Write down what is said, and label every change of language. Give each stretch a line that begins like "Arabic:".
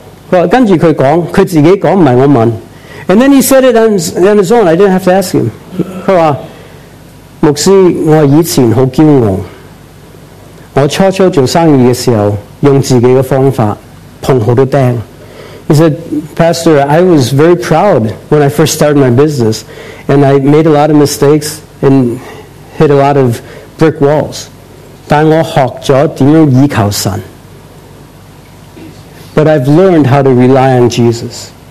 Chinese: 他說,跟著他說,他自己說,不是我問。
English: And then he said it on his own, I didn't have to ask him.
Chinese: 他說,牧師,我以前很驕傲。我初初做生意的時候,用自己的方法,碰很多釘。
English: He said, Pastor, I was very proud when I first started my business, and I made a lot of mistakes and hit a lot of brick walls.
Chinese: 但我學了怎樣依靠神。
English: But I've learned how to rely on Jesus.